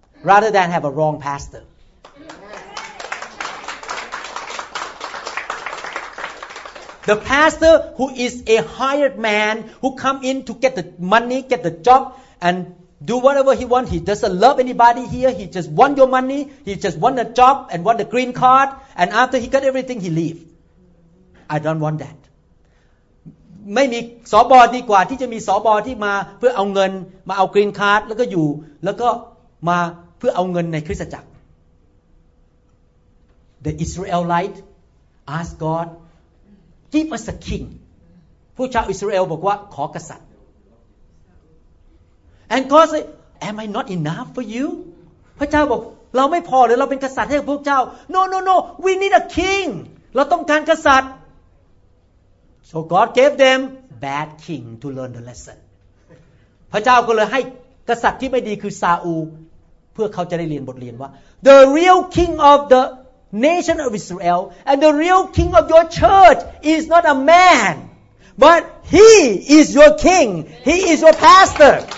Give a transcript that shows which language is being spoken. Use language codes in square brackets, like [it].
[en] rather than have a wrong pastorThe pastor who is a hired man who come in to get the money, get the job, and do whatever he want. He doesn't love anybody here. He just want your money. He just want a job and want a green card. And after he got everything, he leave. I don't want that. [th] ไม่มีสบดีกว่าที่จะมีสบที่มาเพื่อเอาเงินมาเอากรีนการ์ดแล้วก็อยู่แล้วก็มาเพื่อเอาเงินในคริสตจักร [en] The Israelite ask God. Give us a king. [th] ผู้ชาวอิสราเอลบอกว่าขอกษัตริย์ [en] And God said, Am I not enough for you? [th] พระเจ้าบอกเราไม่พอหรือเราเป็นกษัตริย์ให้พวกเจ้า [en] No. We need a king. [th] เราต้องการกษัตริย์ [en] So God gave them bad king to learn the lesson. [th] พระเจ้าก็เลยให้กษัตริย์ที่ไม่ดีคือซาอูลเพื่อเขาจะได้เรียนบทเรียนว่า [en] The real king of thenation of Israel and the real king of your church is not a man but he is your king he is your pastor